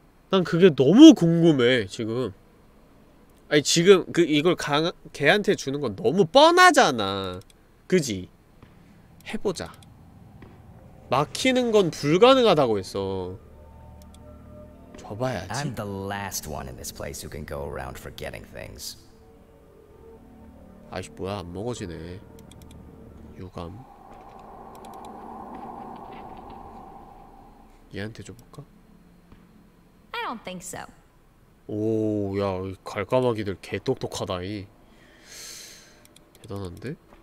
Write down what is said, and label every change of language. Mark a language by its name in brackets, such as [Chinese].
[Korean] 난 그게 너무 궁금해 지금. 아니 지금 그 이걸 개한테 주는 건 너무 뻔하잖아. 그지? 해보자. 막히는 건 불가능하다고 했어. 줘봐야지. [English] I'm the last one in this place who can go around forgetting things. [Korean] 아이씨 뭐야 안 먹어지네. 유감. 얘한테 줘볼까? [English] I don't think so. [Korean] 오, 야, 이 갈까마귀들 개 똑똑하다 이. 대단한데?